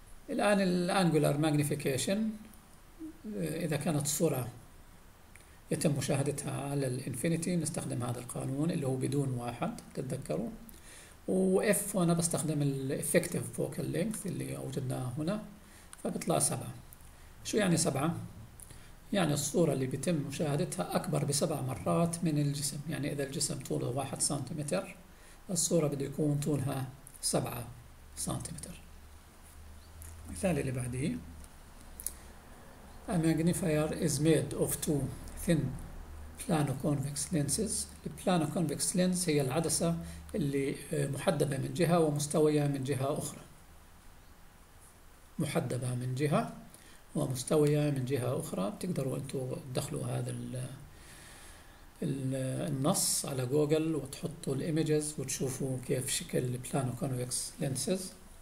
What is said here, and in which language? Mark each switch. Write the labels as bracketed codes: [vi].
[ar] الآن الانجولار ماجنيفيكيشن إذا كانت صورة يتم مشاهدتها على الانفينيتي نستخدم هذا القانون اللي هو بدون واحد تتذكروا، وإف وأنا بستخدم الإفكتيف فوكال لينكث اللي أوجدناه هنا فبيطلع 7. شو يعني 7؟ يعني الصورة اللي بيتم مشاهدتها أكبر بسبع مرات من الجسم، يعني إذا الجسم طوله 1 سنتيمتر الصورة بده يكون طولها 7 سنتيمتر. المثال اللي بعديه [en] A magnifier is made of two thin plano-convex lenses. [ar] Plano-convex lens هي العدسة اللي محدبة من جهة ومستوية من جهة أخرى. محدبة من جهة ومستوية من جهة أخرى، بتقدروا أنتوا تدخلوا هذا النص على جوجل وتحطوا الإيمجز وتشوفوا كيف شكل البلانو كونفكس لينسز.